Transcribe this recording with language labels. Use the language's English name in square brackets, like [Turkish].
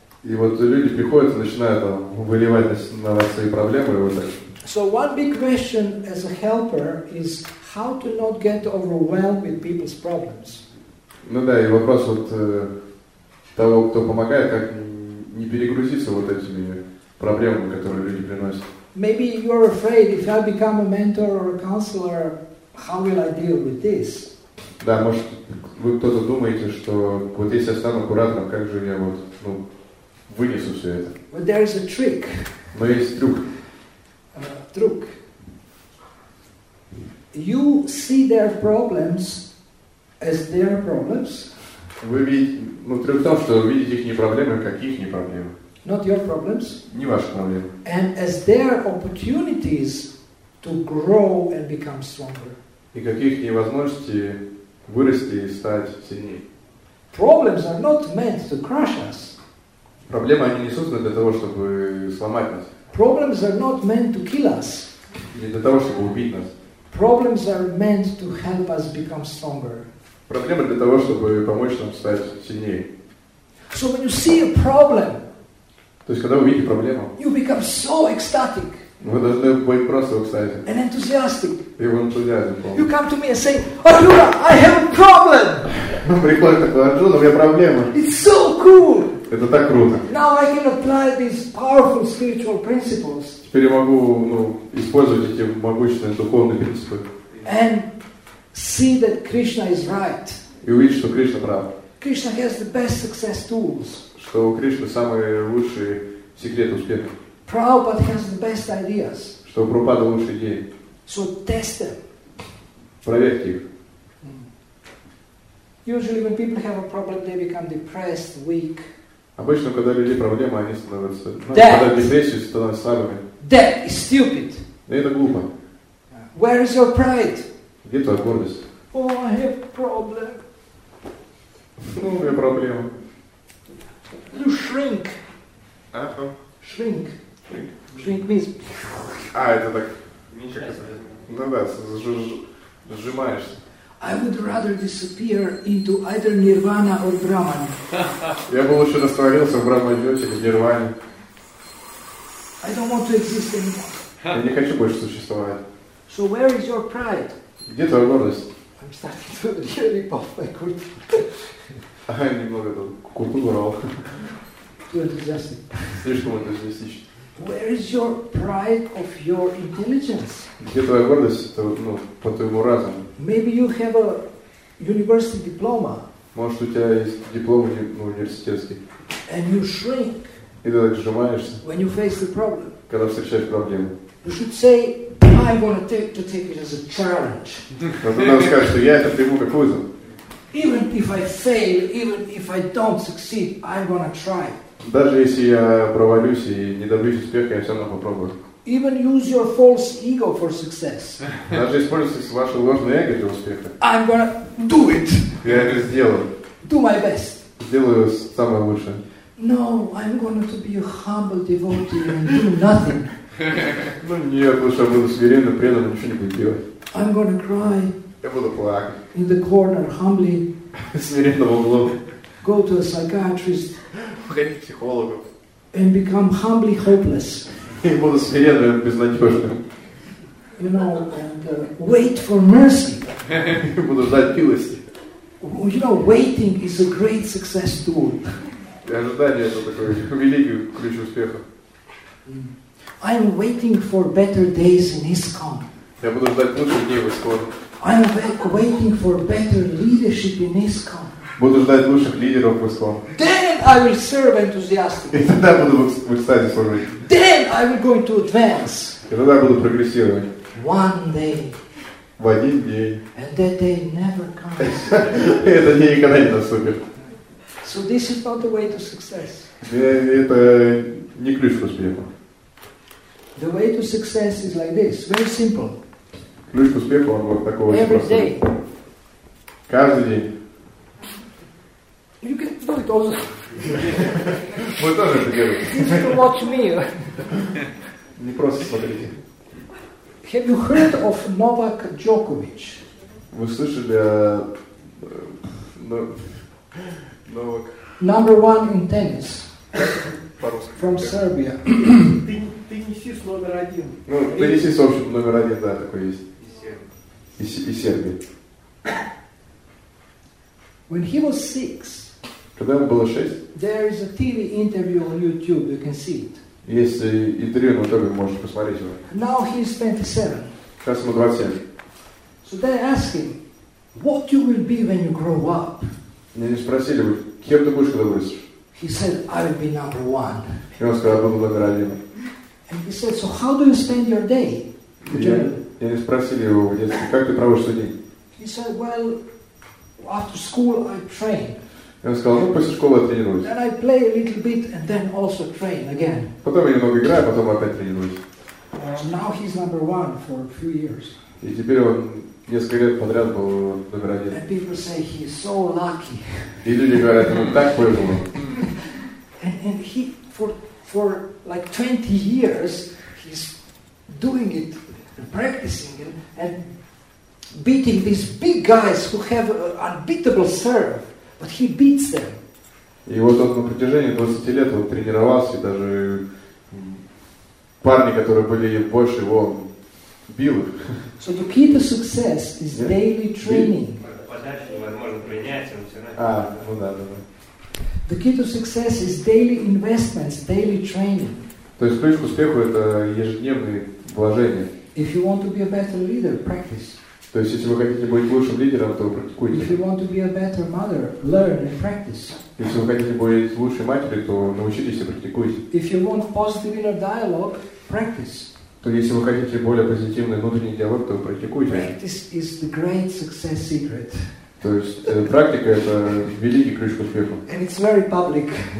[Russian] И вот люди приходят и начинают выливать на вас свои проблемы и вот так. [English] So one big question as a helper is how to not get overwhelmed with people's problems. [Russian] Ну да, и вопрос вот того, кто помогает, как не перегрузиться вот этими проблемами, которые люди приносят. [English] Maybe you are afraid if I become a mentor or a counselor, how will I deal with this? [Russian] Да, может, вы кто-то думаете, что вот если я стану куратором, как же я вот вынесу все это? [English] But there is a trick. [Russian] Но есть трюк. Трюк. [English] You see their problems. As their problems. [Russian] Вы видите, трюк в том, что вы видите их не проблемы, как их не проблемы. [English] Not your problems. [Russian] Не ваши проблемы. [English] And as their opportunities to grow and become stronger. [Russian] И как их возможности вырасти и стать сильнее. [English] Problems are not meant to crush us. [Russian] Проблемы они не созданы для того, чтобы сломать нас. [English] Problems are not meant to kill us. [Russian] Не для того, чтобы убить нас. [English] Problems are meant to help us become stronger. [Russian] Проблема для того, чтобы помочь нам стать сильнее. [English] So when you see a problem, [Russian] то есть, когда вы видите проблему, [English] you become so ecstatic, [Russian] вы должны быть просто в экстазе. [English] And enthusiastic. [Russian] И в энтузиазме. [English] You come to me and say, "Arjuna, I have a problem." [Russian] Приходит такой Арджун, у меня проблема. [English] It's so cool! [Russian] Это так круто. [English] Now I can apply these powerful spiritual principles. [Russian] Теперь я могу, ну, использовать эти могущественные духовные принципы. [English] And see that Krishna is right. [Russian] И увидеть, что Кришна прав. [English] Krishna has the best success tools. [Russian] Что у Кришны самые лучшие секреты успеха. [English] Prabhupada has the best ideas. [Russian] Что у Прабхупады лучшие идеи. [English] So test them. [Russian] Проверьте их. [English] Usually when people have a problem, they become depressed, weak. [Russian] Обычно, когда люди проблемы, они становятся, когда депрессию, становятся слабыми. [English] That is stupid. [Russian] Это глупо. [English] Where is your pride? [Russian] Где твоя гордость? [English] Oh, I have problem. [Russian] Ну, у меня проблема. [English] You shrink. Shrink. Shrink means. [Russian] А это так. Ничего себе. Ну да, сжимаешься. [English] I would rather disappear into either Nirvana or Brahman. [Russian] Я бы лучше растворился в Брахмаджоте или Нирване. [English] I don't want to exist anymore. [Russian] Я не хочу больше существовать. [English] So where is your pride? [Russian] Где твоя гордость? [English] I'm starting to really puff my curtain. [Russian] А я немного там курту урал. [English] Too enthusiastic. [Russian] Слишком энтузиастичен. [English] Where is your pride of your intelligence? [Russian] Где твоя гордость, ну, по твоему разуму? [English] Maybe you have a university diploma. [Russian] Может, у тебя есть диплом университетский. [English] And you shrink. [Russian] И ты так сжимаешься. [English] When you face the problem. [Russian] Когда встречаешь проблему. [English] You should say, I'm going to take it as a challenge. [Russian] Но ты должен сказать, что я это приму как вызов. [English] Even if I fail, even if I don't succeed, I'm going to try. [Russian] Даже если я провалюсь и не добьюсь успеха, я все равно попробую. [English] Even use your false ego for success. [Russian] Даже используйте ваше ложное эго для успеха. [English] I'm going to do it. [Russian] Я это сделаю. [English] Do my best. [Russian] Сделаю самое лучшее. [English] No, I'm going to be a humble devotee and do nothing. [Russian] Ну нет, лучше я буду смиренным, преданным, ничего не буду делать. [English] I'm going to cry. [Russian] Я буду плакать. [English] In the corner, humbly. [Russian] Смиренно в углу. [English] Go to a psychiatrist. [Russian] Уходи к психологу. [English] And become humbly hopeless. [Russian] И буду смиренным, безнадежным. [English] You know, and wait for mercy. [Russian] Буду ждать милости. [English] You know, waiting is a great success tool. [Russian] И ожидание это такой великий ключ успеха. [English] I'm waiting for better days in ISKCON. [Russian] Я буду ждать лучших дней в ISKCON. [English] I'm waiting for better leadership in ISKCON. [Russian] Буду ждать лучших лидеров в ISKCON. [English] Then I will serve enthusiastically. [Russian] И тогда буду в экстазе служить. [English] Then I will going to advance. [Russian] И тогда буду прогрессировать. [English] One day. [Russian] В один день. [English] And that day never comes. [Russian] И этот день никогда не наступит. [English] So this is not the way to success. [Russian] Это не ключ к успеху. [English] The way to success is like this. Very simple. [Russian] Ключ к успеху, он вот такой очень простой. [English] Every day. [Russian] Каждый день. [English] You can do it also. [Russian] Мы тоже это делаем. [English] You can watch me. [Russian] Не просто смотрите. [English] Have you heard of Novak Djokovic? [Russian] Вы слышали о... Новак... [English] Number one in tennis. [Russian] По-русски. [English] From Serbia. [Russian] Теннисист номер один. Ну, теннисист, в общем, номер один, да, такой есть. И Сербии. [English] When he was six, [Russian] когда ему было шесть, [English] there is a TV interview on YouTube, you can see it. [Russian] Есть интервью на YouTube, можете посмотреть его. [English] Now he is 27. [Russian] Сейчас ему 27. [English] So they ask him, what you will be when you grow up? [Russian] Они спросили, кем ты будешь, когда вырастешь? [English] He said, I will be number one. [Russian] И он сказал, буду номер один. [English] And he said, so how do you spend your day? [Russian] И они спросили его в детстве, как ты проводишь свой день? [English] He said, well, after school I train. [Russian] И он сказал, ну, после школы я тренируюсь. [English] Then I play a little bit and then also train again. [Russian] Потом я немного играю, потом опять тренируюсь. [English] Now he's number one for a few years. [Russian] И теперь он несколько лет подряд был номер один. [English] And people say, he is so lucky. [Russian] И люди говорят, ему так повезло. [English] And he, for like 20 years, he's doing it. And practicing and beating these big guys who have unbeatable serve, but he beats them. [Russian] И вот он на протяжении 20 лет он тренировался, даже парни, которые были больше его, бил их. [English] So the key to success is daily training. [Russian] Подача возможно принять, он все равно. Ну да. [English] The key to success is daily investments, daily training. [Russian] То есть ключ к успеху — это ежедневные вложения. [English] If you want to be a better leader, practice. [Russian] То есть если вы хотите быть лучшим лидером, то практикуйте. [English] If you want to be a better mother, learn and practice. [Russian] Если вы хотите быть лучшей матерью, то научитесь и практикуйте. [English] If you want positive inner dialogue, practice. [Russian] То если вы хотите более позитивный внутренний диалог, то практикуйте. [English] Practice is the great success secret. [Russian] То есть практика — это великий ключ к успеху. [English] And it's very public.